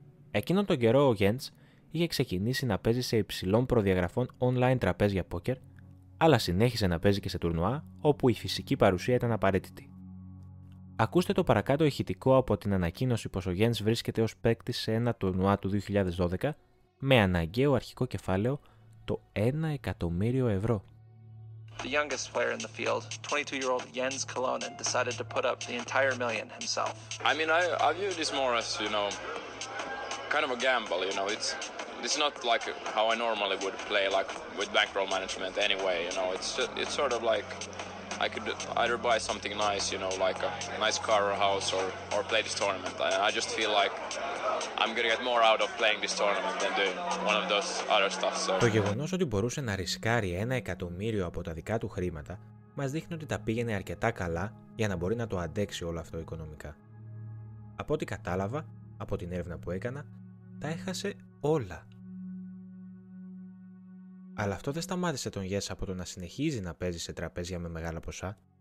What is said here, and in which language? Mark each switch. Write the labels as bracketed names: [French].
[Greek] Εκείνον τον καιρό ο Γιέντς είχε ξεκινήσει να παίζει σε υψηλών προδιαγραφών online τραπέζια πόκερ, αλλά συνέχισε να παίζει και σε τουρνουά όπου η φυσική παρουσία ήταν απαραίτητη. Ακούστε το παρακάτω ηχητικό από την ανακοίνωση πως ο Γιέντς βρίσκεται ως παίκτης σε ένα τουρνουά του 2012 με αναγκαίο αρχικό κεφάλαιο το 1 εκατομμύριο ευρώ. [English] The youngest player in the field, 22-year-old Jens Kilonen, decided to put up the entire million himself. I mean, I view this more as, you know, kind of a gamble, you know. It's not like how I normally would play, like with bankroll management anyway, you know. It's sort of like I could either buy something nice, you know, like a nice car or a house, or play this tournament. And I just feel like I'm gonna get more out of playing this tournament than doing one of those other stuff. So. [Greek] Το γεγονός ότι μπορούσε να ρισκάρει ένα εκατομμύριο από τα δικά του χρήματα μας δείχνει ότι τα πήγαινε αρκετά καλά για να μπορεί να το αντέξει όλο αυτό οικονομικά. Από ό,τι κατάλαβα, από την έρευνα που έκανα, τα έχασε όλα. Αλλά αυτό δεν σταμάτησε τον Γιες από το να συνεχίζει να παίζει σε τραπέζια με μεγάλα ποσά.